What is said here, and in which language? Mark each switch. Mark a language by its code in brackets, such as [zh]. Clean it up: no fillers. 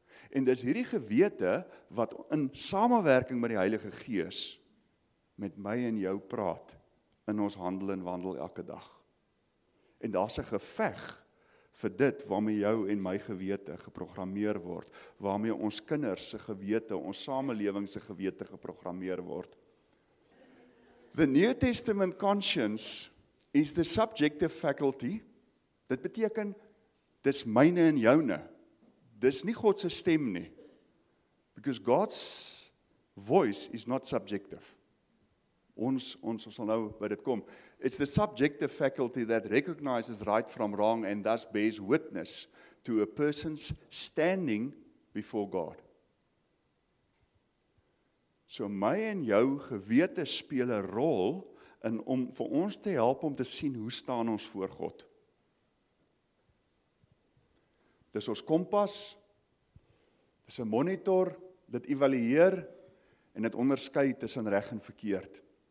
[af] En dis hierdie gewete wat in samenwerking met die Heilige Gees met my en jou praat in ons handel en wandel elke dag. En daar's 'n geveg vir dit waarmee jou en my gewete geprogrammeer word, waarmee ons kinders se gewete, ons samelewing se gewete geprogrammeer word. [en] The New Testament conscience is the subjective faculty. [af] Dit beteken, dis myne en joune. Dis nie God se stem nie. [en] Because God's voice is not subjective. [af] Ons sal nou by dit kom. [en] It's the subjective faculty that recognizes right from wrong and thus bears witness to a person's standing before God. [af] So my en jou gewete speel 'n rol in om vir ons te help om te sien hoe staan ons voor God. Dis ons kompas, dis 'n monitor, dit evalueer en dit onderskei tussen reg en verkeerd.